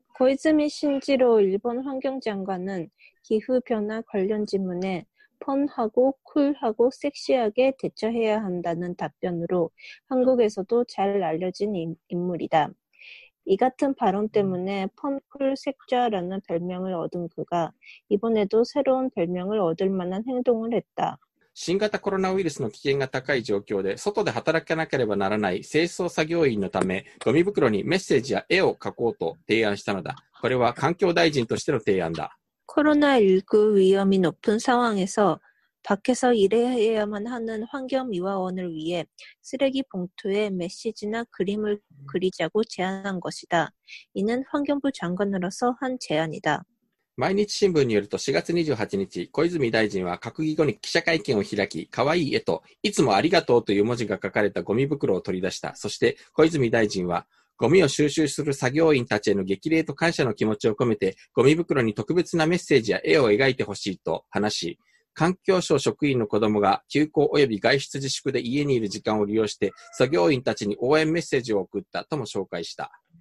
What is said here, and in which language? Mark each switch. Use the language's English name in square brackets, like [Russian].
[Japanese] 小泉進次郎日本環境長官は、気候変化関連質問へ、 [Korean] 펀하고쿨하고섹시하게대처해야한다는답변으로한국에서도잘알려진 인물이다이같은발언때문에펀쿨색자라는별명을얻은그가이번에도새로운별명을얻을만한행동을했다 [Japanese] 新型コロナウイルスの危険が高い状況で外で働かなければならない清掃作業員のためゴミ袋にメッセージや絵を書こうと提案したのだこれは環境大臣としての提案だ [Korean] 코로나19 위험이높은상황에서밖에서일해야만하는환경미화원을위해쓰레기봉투에메시지나그림을그리자고제안한것이다이는환경부장관으로서한제안이다 [Japanese] 毎日新聞によると4月28日、小泉大臣は閣議後に記者会見を開き、可愛い絵と、いつもありがとうという文字が書かれたゴミ袋を取り出した。そして小泉大臣は、ゴミを収集する作業員たちへの激励と感謝の気持ちを込めて、ゴミ袋に特別なメッセージや絵を描いてほしいと話し、環境省職員の子供が休校及び外出自粛で家にいる時間を利用して、作業員たちに応援メッセージを送ったとも紹介した。